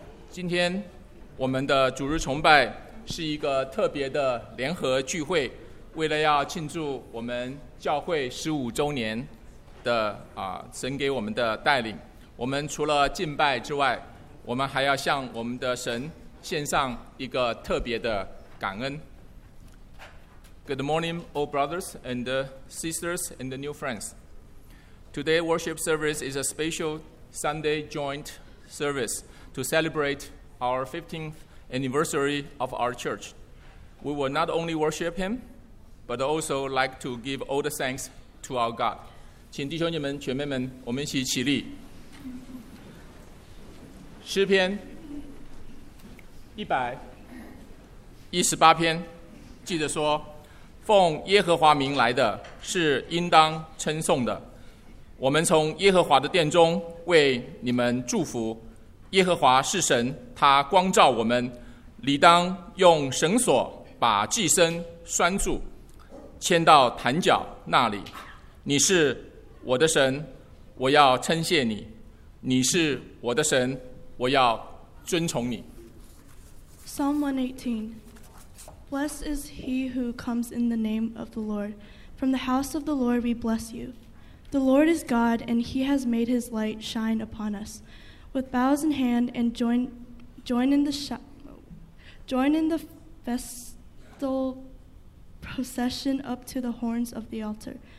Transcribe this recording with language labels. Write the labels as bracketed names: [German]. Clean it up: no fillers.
[Chinese] 今天我们的主日崇拜是一个特别的联合聚会，为了要庆祝我们教会15周年的神给我们的带领，我们除了敬拜之外，我们还要向我们的神献上一个特别的感恩。 [English] Good morning, all brothers and sisters and new friends. Today's worship service is a special Sunday joint service to celebrate our 15th anniversary of our church. We will not only worship Him, but also like to give all the thanks to our God. [Chinese] 请弟兄姐妹们、姐妹们，我们一起起立。诗篇118篇，记得说，奉耶和华名来的是应当称颂的。我们从耶和华的殿中为你们祝福。耶和华是神，他光照我们，理当用绳索把祭牲拴住，牵到坛角那里。你是我的神，我要称谢你。你是我的神，我要尊崇你。 [English] Psalm 118. Blessed is he who comes in the name of the Lord. From the house of the Lord we bless you. The Lord is God, and he has made his light shine upon us. With bows in hand and join in the festal procession up to the horns of the altar.